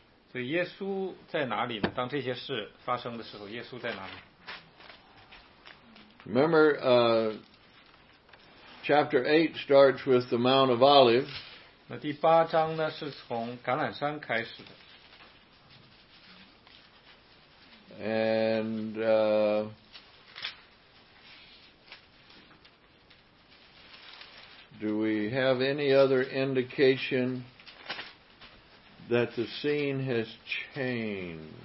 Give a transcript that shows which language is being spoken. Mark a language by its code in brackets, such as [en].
[zh] 所以耶稣在哪里呢？当这些事发生的时候，耶稣在哪里？ [en] Remember, chapter 8 starts with the Mount of Olives. [zh] 那第八章呢，是从橄榄山开始的。 [en] And do we have any other indication that the scene has changed?